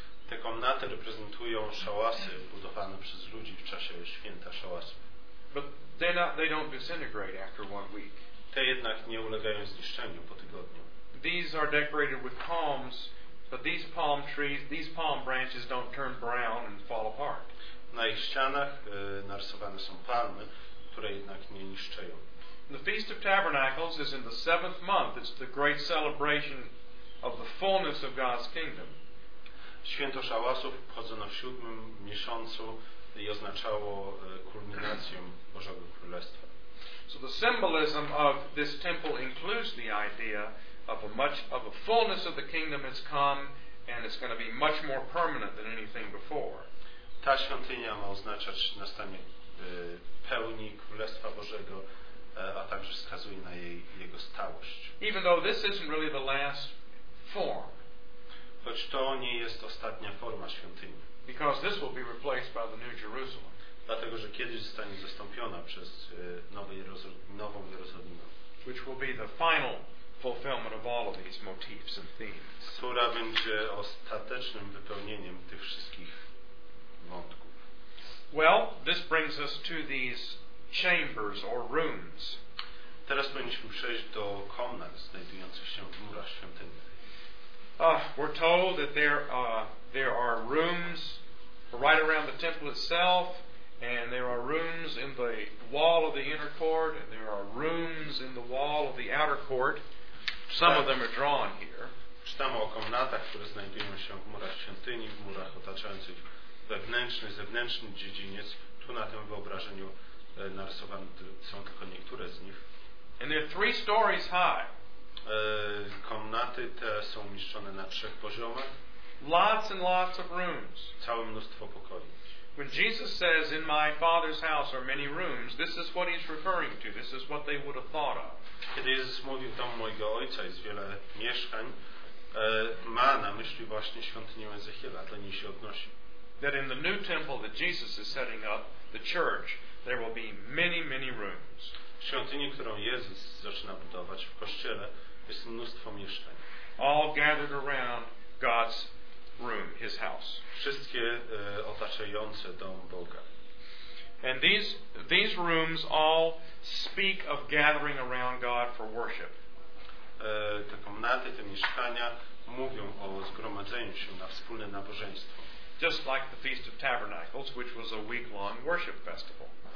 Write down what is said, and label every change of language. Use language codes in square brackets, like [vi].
[pl] Te komnaty reprezentują szałasy budowane przez ludzi w czasie święta szałasów. [en] But they don't disintegrate after one week. [pl] Te jednak nie ulegają zniszczeniu po tygodniu. [en] These are decorated with palms, but these palm trees, these palm branches don't turn brown and fall apart. [pl] Na ich ścianach narysowane są palmy, które jednak nie niszczeją. [en] The Feast of Tabernacles is in the seventh month. It's the great celebration of the fullness of God's kingdom. [pl] Święto Szałasów obchodzono w siódmym miesiącu i oznaczało kulminację Bożego Królestwa. [en] So the symbolism of this temple includes the idea of a fullness of the kingdom has come and it's going to be much more permanent than anything before. [pl] Ta świątynia ma oznaczać nastanie pełni Królestwa Bożego, a także wskazuje na jego stałość. [en] Even though this isn't really the last form. [pl] Choć to nie jest ostatnia forma świątyni. [en] Because this will be replaced by the New Jerusalem. [pl] Dlatego, że kiedyś zostanie zastąpiona przez nową Jerozolimę. [en] Which will be the final fulfillment of all of these motifs and themes. [pl] Która będzie ostatecznym wypełnieniem tych wszystkich wątków. [en] Well, this brings us to these chambers or rooms. [pl] Teraz powinniśmy przejść do komnat znajdujących się w murach świątyni. [en] We're told that there are rooms right around the temple itself, and there are rooms in the wall of the inner court, and there are rooms in the wall of the outer court. Some of them are drawn here. [pl] Czytamy o komnatach, które znajdują się w murach świątyni, w murach otaczających wewnętrzny, zewnętrzny dziedziniec. Tu na tym wyobrażeniu narysowane są tylko niektóre z nich. [en] And they're three stories high. [pl] Komnaty te są umieszczone na trzech poziomach. [en] Lots and lots of rooms. [pl] Całe mnóstwo pokoi. [en] When Jesus says, "In my Father's house are many rooms," this is what he's referring to. This is what they would have thought of. [pl] Kiedy Jezus mówi, w domu mojego ojca jest wiele mieszkań, ma na myśli właśnie świątynię Ezechiela, do niej się odnosi. [en] That in the new temple that Jesus is setting up, the church, there will be many, many rooms. [pl] W świątyni, którą Jezus zaczyna budować w kościele, jest mnóstwo mieszkań. [en] All gathered around God's room, his house. [pl] Wszystkie otaczające dom Boga. [en] And these rooms all speak of gathering around God for worship. [pl] Te komnaty, te mieszkania mówią o zgromadzeniu się na wspólne nabożeństwo. [en] Just like the Feast of Tabernacles, which was a week-long worship festival.